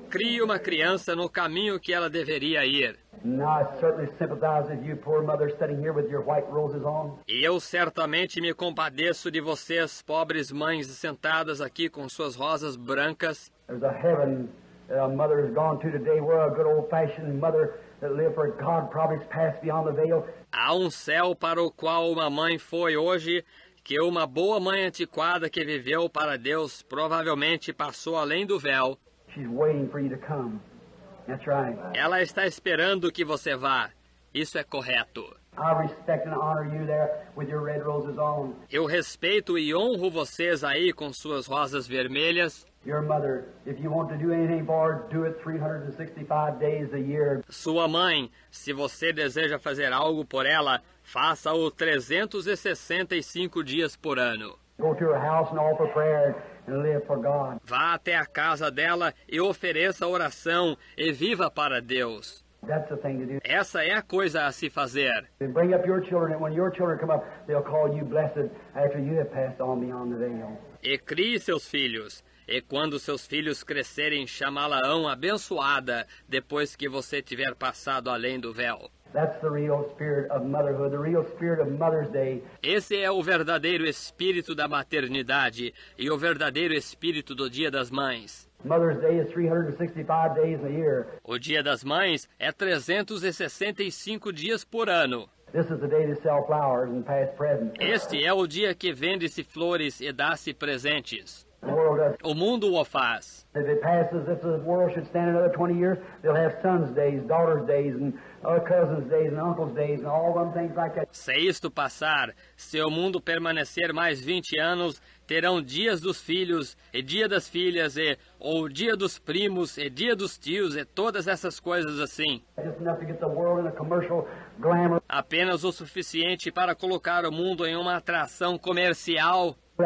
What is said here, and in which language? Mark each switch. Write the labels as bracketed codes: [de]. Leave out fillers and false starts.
[pt] Crie uma criança no caminho que ela deveria ir. [en] Now, I certainly sympathize with you, poor mother, sitting here with your white roses on. [pt] E eu certamente me compadeço de vocês, pobres mães sentadas aqui com suas rosas brancas. [en] There's a heaven that a mother has gone to today where a good old-fashioned mother that lived for God probably passed beyond the veil. [pt] Há um céu para o qual uma mãe foi hoje, que uma boa mãe antiquada que viveu para Deus provavelmente passou além do véu. [en] She's waiting for you to come. That's right. [pt] Ela está esperando que você vá. Isso é correto. [en] I respect and honor you there with your red roses on. [pt] Eu respeito e honro vocês aí com suas rosas vermelhas. [en] Your mother, if you want to do anything for her, do it 365 days a year. [pt] Sua mãe, se você deseja fazer algo por ela, faça-o 365 dias por ano. [en] Go to her house and offer prayer and live for God. [pt] Vá até a casa dela e ofereça oração e viva para Deus. [en] That's the thing to do. [pt] Essa é a coisa a se fazer. [en] Then bring up your children, and when your children come up, they'll call you blessed after you have passed on beyond the veil. [pt] E crie seus filhos. E quando seus filhos crescerem, chamá-la-ão abençoada depois que você tiver passado além do véu. [en] That's the real spirit of motherhood, the real spirit of Mother's Day. [pt] Esse é o verdadeiro espírito da maternidade e o verdadeiro espírito do Dia das Mães. [en] Mother's Day is 365 days a year. [pt] O Dia das Mães é 365 dias por ano. [en] This is the day to sell flowers and pass presents. [pt] Este é o dia que vende-se flores e dá-se presentes. [en] The world does. [pt] O mundo o faz. [en] If it passes, if the world should stand another 20 years, they'll have sons' days, daughters' days, and cousins' days, and uncles' days, and all them things like that. [pt] Se isto passar, se o mundo permanecer mais 20 anos, terão dias dos filhos, e dia das filhas, e ou dia dos primos, e dia dos tios, e todas essas coisas assim. [en] Just enough to get the world in a commercial glamour. [pt] Apenas o suficiente para colocar o mundo em uma atração comercial.